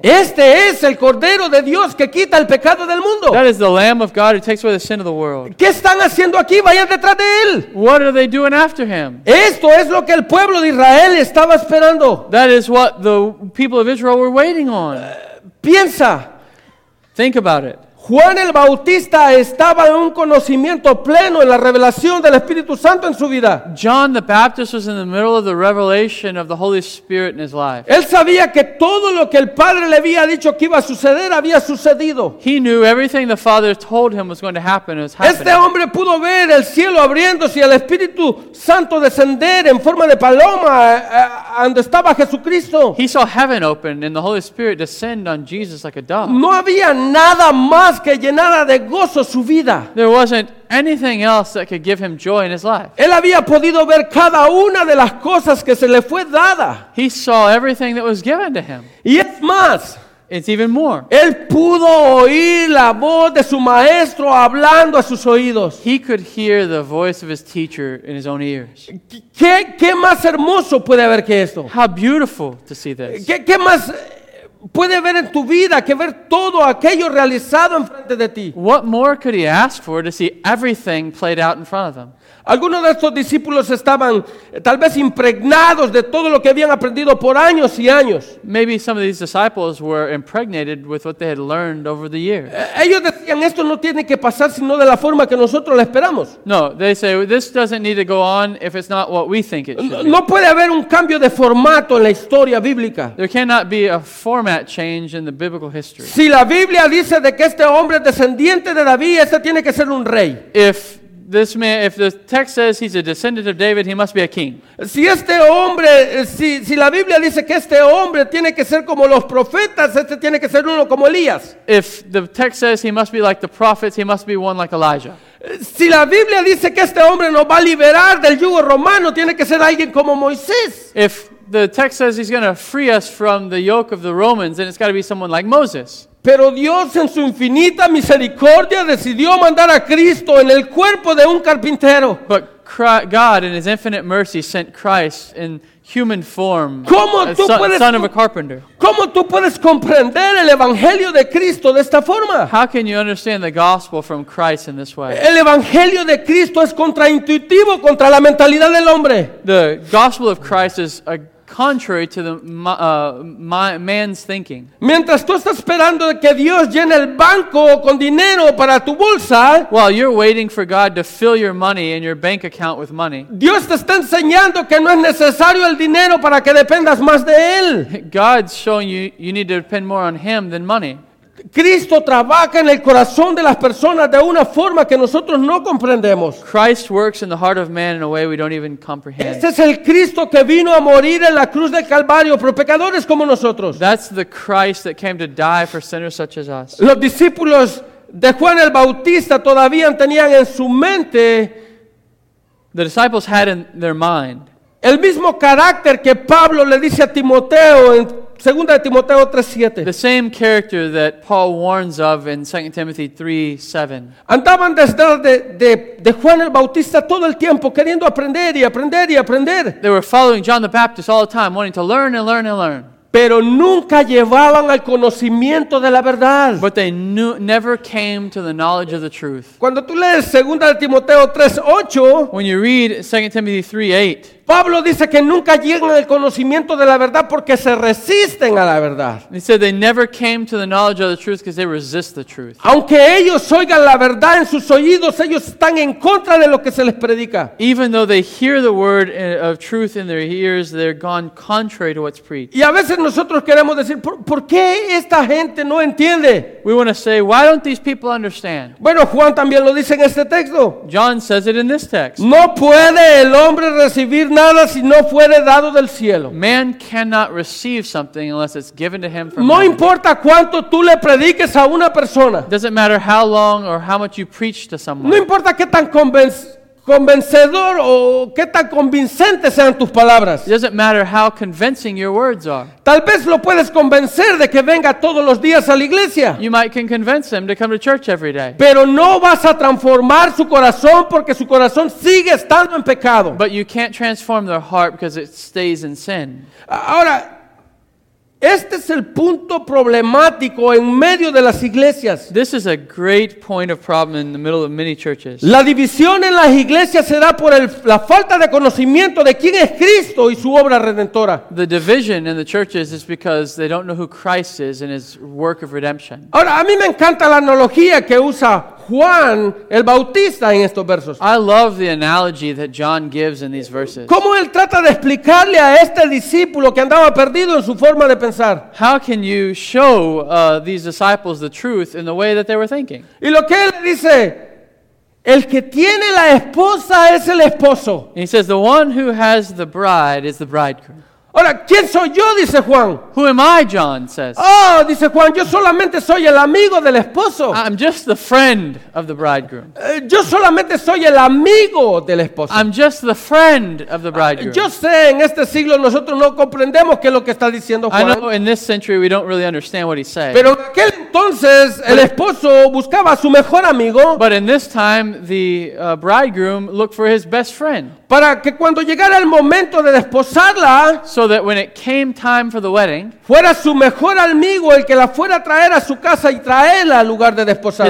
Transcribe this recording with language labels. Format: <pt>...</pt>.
<es>Este es el Cordero de Dios que quita el pecado del mundo.</es> <en>That is the Lamb of God who takes away the sin of the world.</en> <es>¿Qué están haciendo aquí? Vayan detrás de él.</es> <en>What are they doing after him?</en> <es>Esto es lo que el pueblo de Israel estaba esperando.</es> <en>That is what the people of Israel were waiting on.</en> <es>Piensa.</es> <en>Think about it.</en> <es>Juan el Bautista estaba en un conocimiento pleno en la revelación del Espíritu Santo en su vida.</es> <en>John the Baptist was in the middle of the revelation of the Holy Spirit in his life.</en> <es>Él sabía que todo lo que el Padre le había dicho que iba a suceder había sucedido.</es> <en>He knew everything the Father told him was going to happen. It was happening.</en> <es>Este hombre pudo ver el cielo abriéndose y el Espíritu Santo descender en forma de paloma donde estaba Jesucristo.</es> <en>He saw heaven open and the Holy Spirit descend on Jesus like a dove.</en> <es>No había nada más que llenara de gozo su vida.</es> <en>There wasn't anything else that could give him joy in his life.</en> <es>Él había podido ver cada una de las cosas que se le fue dada.</es> <en>He saw everything that was given to him.</en> <es>Y es más,</es> <en>it's even more.</en> <es>Él pudo oír la voz de su maestro hablando a sus oídos.</es> <en>He could hear the voice of his teacher in his own ears.</en> <es>¿Qué más hermoso puede haber que esto?</es> <en>How beautiful to see this.</en> <es>¿Qué más puede ver en tu vida que ver todo aquello realizado en frente de ti?</es> <en>What more could he ask for to see everything played out in front of them?</en> <es>Algunos de estos discípulos estaban tal vez impregnados de todo lo que habían aprendido por años y años.</es> <en>Maybe some of these disciples were impregnated with what they had learned over the years.</en> <es>Ellos decían, esto no tiene que pasar sino de la forma que nosotros lo esperamos.</es> <en>No, they say, this doesn't need to go on if it's not what we think it should.</en> <es>No puede haber un cambio de formato en la historia bíblica.</es> <en>There cannot be a format change in the biblical history.</en> <es>Si la Biblia dice de que este hombre es descendiente de David, este tiene que ser un rey.</es> <en>If the text says he's a descendant of David, he must be a king.</en> <es>Si este hombre, si la Biblia dice que este hombre tiene que ser como los profetas, este tiene que ser uno como Elías.</es> <en>If the text says he must be like the prophets, he must be one like Elijah.</en> <es>Si la Biblia dice que este hombre nos va a liberar del yugo romano, tiene que ser alguien como Moisés.</es> <en>If the text says he's going to free us from the yoke of the Romans, then it's got to be someone like Moses.</en> <es>Pero Dios en su infinita misericordia decidió mandar a Cristo en el cuerpo de un carpintero.</es> <en>But God in his infinite mercy sent Christ in human form, son of a carpenter.</en> <es>¿Cómo tú puedes comprender el evangelio de Cristo de esta forma?</es> <en>How can you understand the gospel from Christ in this way?</en> <es>El evangelio de Cristo es contraintuitivo contra la mentalidad del hombre.</es> <en>The gospel of Christ is a contrary to the man's thinking.</en> <es>Mientras tú estás esperando que Dios llene el banco con dinero para tu bolsa,</es> <en>while you're waiting for God to fill your money and your bank account with money,</en> <es>Dios te está enseñando que no es necesario el dinero para que dependas más de él.</es> <en>God's showing you need to depend more on him than money.</en> <es>Cristo trabaja en el corazón de las personas de una forma que nosotros no comprendemos.</es> <en>Christ works in the heart of man in a way we don't even comprehend.</en> <es>Este es el Cristo que vino a morir en la cruz del Calvario por pecadores como nosotros.</es> <en>That's the Christ that came to die for sinners such as us.</en> <es>Los discípulos de Juan el Bautista todavía tenían en su mente,</es> <en>the disciples had in their mind,</en> <es>el mismo carácter que Pablo le dice a Timoteo en 2 Timoteo 3:7.</es> <en>The same character that Paul warns of in 2 Timothy 3:7.</en> <es>Andaban detrás de Juan el Bautista todo el tiempo queriendo aprender y aprender y aprender.</es> <en>They were following John the Baptist all the time, wanting to learn and learn and learn.</en> <es>Pero nunca llevaban al conocimiento de la verdad.</es> <en>But they never came to the knowledge of the truth.</en> <es>Cuando tú lees 2 Timoteo 3:8,</es> <en>when you read 2 Timothy 3:8,</en> <es>Pablo dice que nunca llegan al conocimiento de la verdad porque se resisten a la verdad.</es> <en>He said they never came to the knowledge of the truth because they resist the truth.</en> <es>Aunque ellos oigan la verdad en sus oídos, ellos están en contra de lo que se les predica.</es> <en>Even though they hear the word of truth in their ears, they're gone contrary to what's preached.</en> <es>Y a veces nosotros queremos decir, ¿por qué esta gente no entiende?</es> <en>We want to say, why don't these people understand?</en> <es>Bueno, Juan también lo dice en este texto.</es> <en>John says it in this text.</en> <es>No puede el hombre recibir nada nada si no fuere dado del cielo.</es> <en>Man cannot receive something unless it's given to him from heaven.</en> <es>No importa cuánto tú le prediques a una persona.</es> <en>Doesn't matter how long or how much you preach to someone.</en> <es>No importa qué tan convencedor o qué tan convincente sean tus palabras.</es> <en>It doesn't matter how convincing your words are.</en> <es>Tal vez lo puedes convencer de que venga todos los días a la iglesia.</es> <en>You might can convince him to come to church every day.</en> <es>Pero no vas a transformar su corazón porque su corazón sigue estando en pecado.</es> <en>But you can't transform their heart because it stays in sin.</en> <es>Ahora, este es el punto problemático en medio de las iglesias.</es> <en>This is a great point of problem in the middle of many churches.</en> <es>La división en las iglesias se da por la falta de conocimiento de quién es Cristo y su obra redentora.</es> <en>The division in the churches is because they don't know who Christ is and his work of redemption.</en> <es>Ahora, a mí me encanta la analogía que usa Juan el Bautista en estos versos.</es> <en>I love the analogy that John gives in these verses.</en> <es>¿Cómo él trata de explicarle a este discípulo que andaba perdido en su forma de pensar?</es> <en>How can you show these disciples the truth in the way that they were thinking?</en> <es>Y lo que él dice, el que tiene la esposa es el esposo.</es> <en>And he says, the one who has the bride is the bridegroom.</en> <es>Ahora, ¿quién soy yo? Dice Juan.</es> <en>Who am I, John says.</en> <es>Oh, dice Juan, yo solamente soy el amigo del esposo.</es> <en>I'm just the friend of the bridegroom.</en> <es>Yo solamente soy el amigo del esposo.</es> <en>I'm just the friend of the bridegroom.</en> <es>Yo sé, en este siglo nosotros no comprendemos qué es lo que está diciendo Juan.</es> <en>I know in this century we don't really understand what he's saying.</en> <es>Pero en aquel entonces el esposo buscaba a su mejor amigo.</es> <en>But in this time the bridegroom looked for his best friend.</en> <es>Para que cuando llegara el momento de desposarla,</es> <en>so that when it came time for the wedding,</en> <es>fuera su mejor amigo el que la fuera a traer a su casa y traerla al lugar de desposarlo.</es>